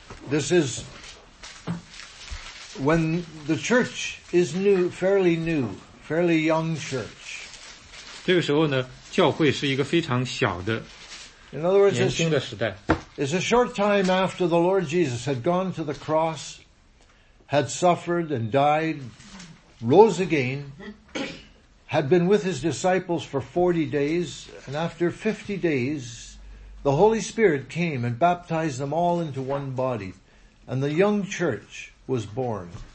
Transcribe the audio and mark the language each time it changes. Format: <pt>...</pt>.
<en>This is when the church is new, fairly young church.</en> <zh>这个时候呢，教会是一个非常小的。</zh> <en>In other words, it's a short time after the Lord Jesus had gone to the cross, had suffered and died, rose again, had been with his disciples for 40 days, and after 50 days, the Holy Spirit came and baptized them all into one body, and the young church was born.</en>